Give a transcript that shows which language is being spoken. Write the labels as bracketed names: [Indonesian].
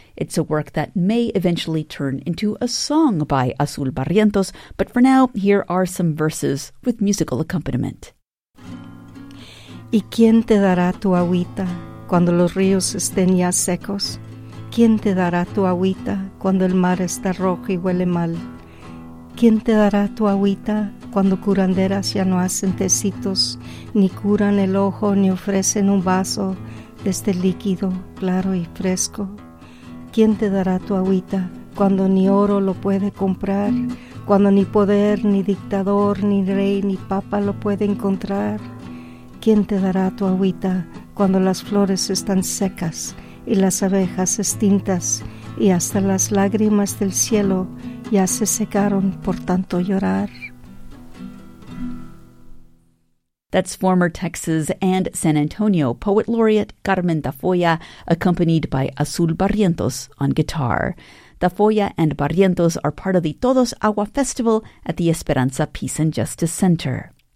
[English] It's a work that may eventually turn into a song by Azul Barrientos, but for now, here are some verses with musical accompaniment. [Spanish] ¿Y quién te dará tu agüita cuando los ríos estén ya secos? ¿Quién te dará tu agüita cuando el mar está rojo y huele mal? ¿Quién te dará tu agüita cuando curanderas ya no hacen tecitos, ni curan el ojo ni ofrecen un vaso de este líquido claro y fresco? ¿Quién te dará tu agüita cuando ni oro lo puede comprar, cuando ni poder, ni dictador, ni rey, ni papa lo puede encontrar? ¿Quién te dará tu agüita cuando las flores están secas y las abejas extintas y hasta las lágrimas del cielo ya se secaron por tanto llorar? [English] That's former Texas and San Antonio poet laureate Carmen Tafoya, accompanied by Azul Barrientos on guitar. Tafoya and Barrientos are part of the Todos Agua Festival at the Esperanza Peace and Justice Center.